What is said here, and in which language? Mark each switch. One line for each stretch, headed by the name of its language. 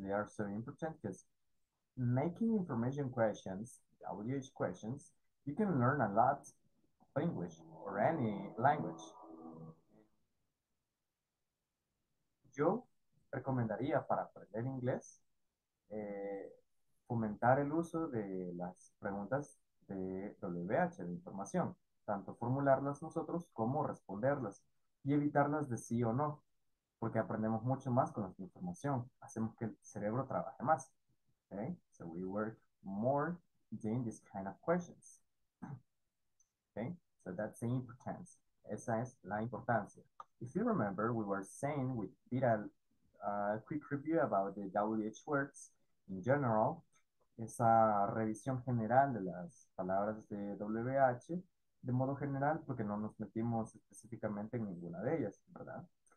English: They are so important because making information questions, WH questions, you can learn a lot of English or any language.
Spanish: Yo recomendaría para aprender inglés fomentar el uso de las preguntas de WH, de información, tanto formularlas nosotros como responderlas y evitarlas de sí o no, porque aprendemos mucho más con nuestra información, hacemos que el cerebro trabaje más.
English: Okay, so we work more doing this kind of questions. Okay, so that's the importance.
Spanish: Esa es la importancia.
English: If you remember, we were saying we did a quick review about the WH words in general,
Spanish: esa revisión general de las palabras de WH, de modo general, porque no nos metimos específicamente en ninguna de ellas, ¿verdad?